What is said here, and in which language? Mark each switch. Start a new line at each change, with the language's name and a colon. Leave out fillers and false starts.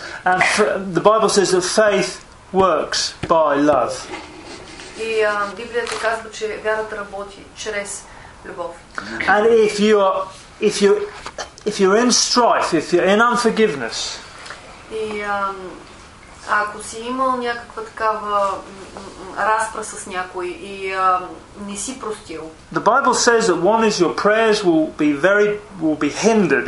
English: And the Bible says that faith works by love.
Bulgarian: И Библията казва, че вярата работи чрез любов.
English: And if you're in strife, if you're in unforgiveness.
Bulgarian: И ако си имал някаква такава разпра с някой и не си простил.
English: The Bible says that one is your prayers will be hindered.